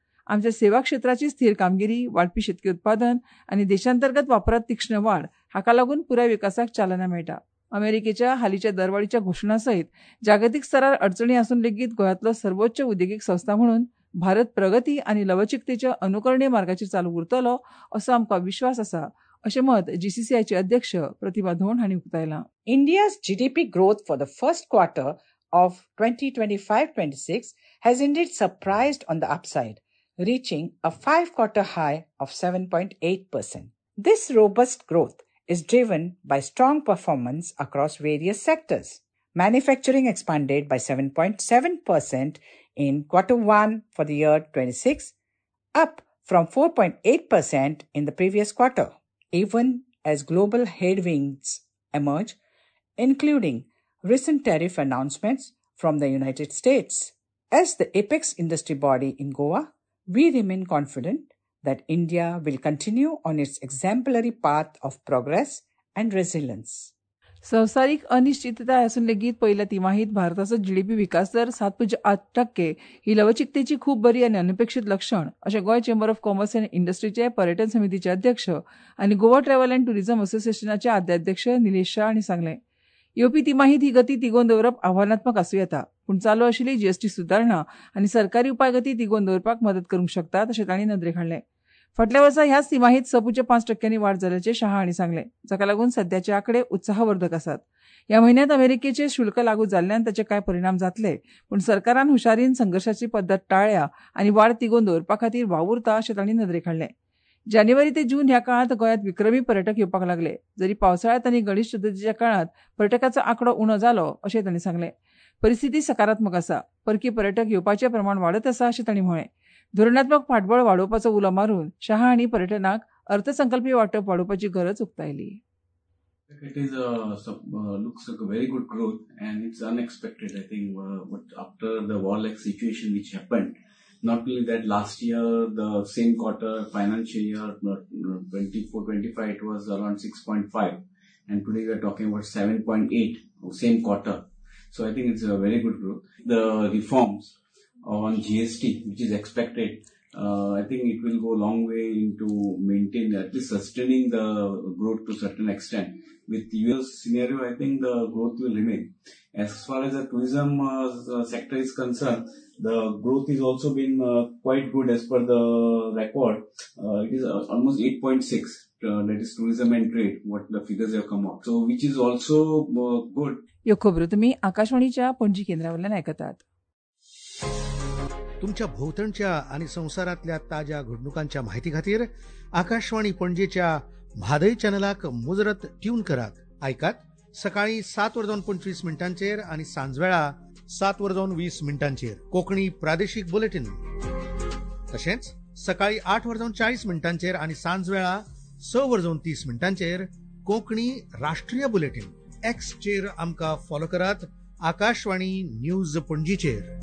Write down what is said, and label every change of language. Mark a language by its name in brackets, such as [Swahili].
[Goan Konkani] आमच्या सेवा क्षेत्राची स्थिर कामगिरी, वाढपी शेतकी उत्पादन आणि देशांतर्गत वापरात तीक्ष्ण वाढ हाका लागून पुराय विकासाक चालना मेळटा. अमेरिकेच्या हालीच्या दरवाढीच्या घोषणासहित जागतिक स्तरार अडचणी असून लेगीत गोयातलो सर्वोच्च उद्देगीक संस्था म्हणून भारत प्रगती आणि लवचिकतेच्या अनुकरणीय मार्गाचेर चालू उरतलो असो आमकां विश्वास आसा, असे मत जीसीसीआयचे अध्यक्ष प्रतिभा धोंड हांणी उक्तायला. [English] India's GDP growth for the first quarter of 2025-26 has indeed surprised on the upside, reaching a 5-quarter high of 7.8%. This robust growth is driven by strong performance across various sectors. Manufacturing expanded by 7.7% in quarter 1 for the year 26, up from 4.8% in the previous quarter. Even as global headwinds emerge, including recent tariff announcements from the United States, as the apex industry body in Goa, we remain confident that India will continue on its exemplary path of progress and resilience. [Goan Konkani] संसारिक अनिश्चितता असून लेगीत पहिल्या तिमाहीत भारताचा GDP विकास दर 7.8% ही लवचिकतेची खूप बरी आणि अनपेक्षित लक्षण असे गोय चेंबर ऑफ कॉमर्स अँड इंडस्ट्रीचे पर्यटन समितीचे अध्यक्ष आणि गोवा ट्रॅव्हल अँड टुरिझम असोसिएशनचे आद्याध्यक्ष निलेश शाह यांनी सांगले. येवपी तिमाहीत ही गती तिगोवन दवरप आव्हानात्मक असू येता, पूण चालू आशिल्ली जीएसटी सुधारणा आणि सरकारी उपाय गती तिगोवन दवरपाक मदत करूंक शकतात, असे ताणी नदरेक हाडले. फाटल्या वर्षा ह्याच तिमाहीत 6.5% वाढ झाल्याचे शाह हांणी सांगले, जाका लागून सध्याचे आकडे उत्साहवर्धक असतात. या महिन्यात अमेरिकेचे शुल्क लागू झाल्यान त्याचे काय परिणाम जातले, पूण सरकारान हुशारीन संघर्षाची पद्धत टाळ्या आणि वाढ तिगोवन दवरपा खातीर वावुरता, असे ताणी नदरेक हाडले. जानेवारी ते जून ह्या काळात गोयात विक्रमी पर्यटक येऊ लागले, जरी पावसाळ्यात आणि गणेश चतुर्थीच्या काळात पर्यटकाचा आकडो उणो झालो, असे त्यांनी सांगले. परिस्थिती सकारात्मक असा, परकी पर्यटक येऊचे प्रमाण वाढत असा, असे त्यांनी म्हणले. धोरणात्मक फाटबळ वाढवण्याचा उलो मारून शाह आणि पर्यटनाक अर्थसंकल्पीय वाटप वाढवण्याची गरज उक्तायली. [English] It is looks like a very good growth and it's unexpected, I think, but after the warlike situation which happened. Not only that, last year, the same quarter, financial year 24-25, it was around 6.5. And today we are talking about 7.8, same quarter. So I think it's a very good growth. The reforms on GST, which is expected, I think it will go a long way into maintaining, at least sustaining the growth to a certain extent. With the US scenario, I think the growth will remain. As far as the tourism sector is concerned, the growth is also been quite good as per the record. It is almost 8.6, that is tourism and trade, what the figures have come out. So, which is also good. [Goan Konkani] यो खबरो तुम्ही आकाशवाणीच्या पणजी केंद्रावरून ऐकतात. तुमच्या भोवतणच्या आणि संसारातल्या ताज्या घडणुकांच्या माहिती खातीर आकाशवाणी पणजीच्या म्हादय चॅनलाक मुजरत ट्यून करात, ऐकात सकाळी 7:25 आणि सांजवेळा 7:20 कोकणी प्रादेशिक बुलेटिन, तसेच सकाळी 8:40 आणि सांजवेळा 6:30 कोकणी राष्ट्रीय बुलेटिन एक्स चेर आमका फॉलो करात आकाशवाणी न्यूज पणजीचेर।